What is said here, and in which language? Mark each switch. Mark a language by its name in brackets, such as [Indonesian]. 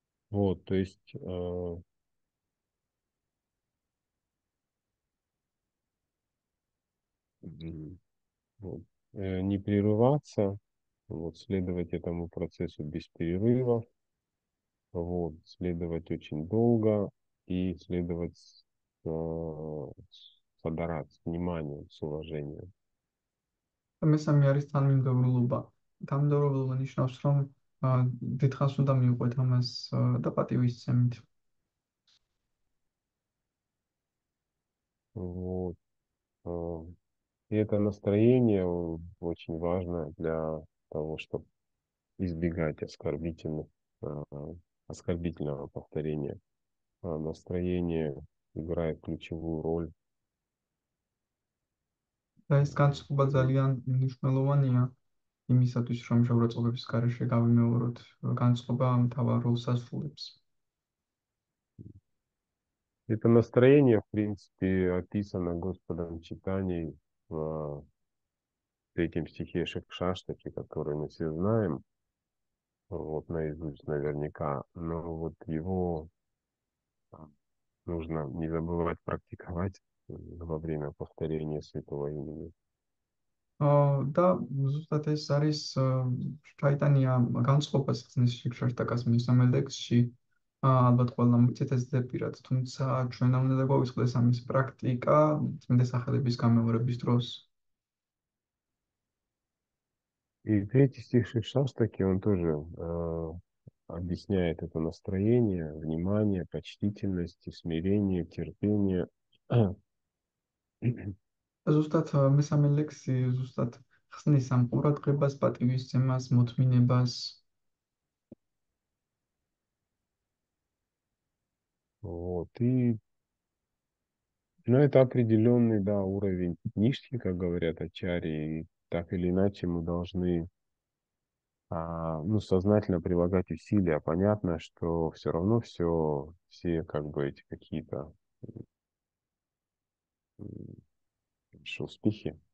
[Russian] Вот, то есть вот, не прерываться, вот следовать этому процессу без перерывов. Вот, следовать очень долго и следовать с адорацией, с вниманием, с уважением. [Georgian] მესამე არის თანმიმდევრულობა. თანმიმდევრულობა ნიშნავს, რომ დიდხანს უნდა მივყვეთ ამას და პატივისცემით. [Russian] Вот. И это настроение очень важно для того, чтобы избегать оскорбительного повторения. Настроение играет ключевую роль. [Georgian] და ეს განცდა ძალიან მნიშვნელოვანია იმისათვის, რომ შეურაცხყოფების გარეშე გავიმეოროთ. განცდა მთავარ როლს ასრულებს. [Russian] Это настроение, в принципе, описано Господом Читаний в третьем стихе Шакшаштаки, который мы все знаем. Вот наизусть наверняка, но вот его нужно не забывать практиковать во время повторения святого имени. Да, [Georgian] ზუსტად ეს არის ჩაიტანია განწყობას ხსნის შიქშარტაკას მესამე ლექსში. ალბათ ყველამ მიცეთ ეს ზეპირად, თუმცა ჩვენ ამ უნდა გვავისყდეს ამის პრაქტიკა წმინდა სახელების გამეორების დროს. [Russian] И третий стих Шикшастаки, он тоже объясняет это настроение, внимание, почтительность, смирение, терпение. [Georgian] ზუსტად მესამე ლექსი ზუსტად ხსნის ამ ყურადღებას, პატივისცემას, მოთმინებას. [Russian] Вот, и ну, это определенный, да, уровень нишки, как говорят ачари, и так или иначе мы должны ну, сознательно прилагать усилия. Понятно, что все равно все как бы эти какие-то успехи